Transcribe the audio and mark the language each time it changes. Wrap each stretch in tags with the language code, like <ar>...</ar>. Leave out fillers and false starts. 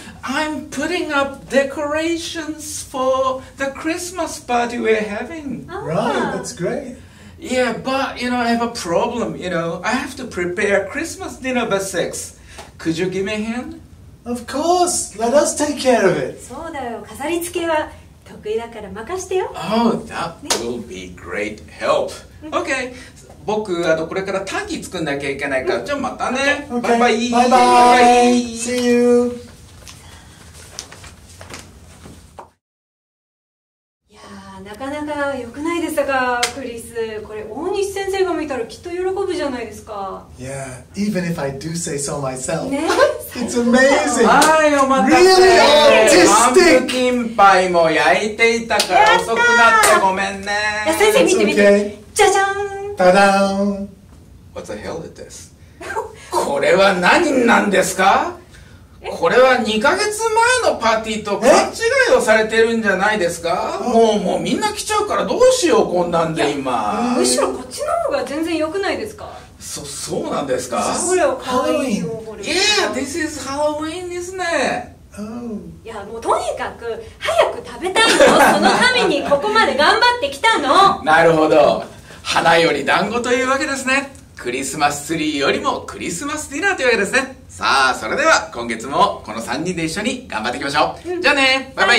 <en>I'm putting up decorations for the Christmas party we're having. Right, that's great. Yeah, but, you know, I have a problem, you know. I have to prepare Christmas dinner by 6. Could you give me a hand? Of course, let us take care of it.</en> <ja>そうだよ、飾り付けは得意だから任せてよ。</ja> <en>Oh, that will be great help. Okay.</en> <ja>僕あのこれから短期作んなきゃいけないから、じゃあまたね、バイバイ、バイバイ、</ja> <en>See you。</en> <ja>いやーなかなか良くないですか、クリス。これ大西先生が見たらきっと喜ぶじゃないですか。</ja> <en>Yeah, even if I do say so myself、</en> <ja>ね、</ja> <en>It's amazing。</en> <ja>はい、お待たせ。パンプキンパイも焼いていたから遅くなってごめんね。いや先生見て見て、じゃじゃん、タダーン。</ja> <en>What the hell is this?</en> <ja>これは何なんですか？これは2ヶ月前のパーティーと勘違いをされてるんじゃないですか？もうみんな来ちゃうからどうしよう、こんなんで今。むしろこっちの方が全然良くないですか？そうなんですか？すごいよ、可愛いよ、これ。</ja> <en>Yeah, this is Halloween,</en> <ja>ですね。いやもうとにかく早く食べたいの。そのためにここまで頑張ってきたの。なるほど、花より団子というわけですね。クリスマスツリーよりもクリスマスディナーというわけですね。さあそれでは今月もこの3人で一緒に頑張っていきましょう。じゃあね、バイバイ、</ja>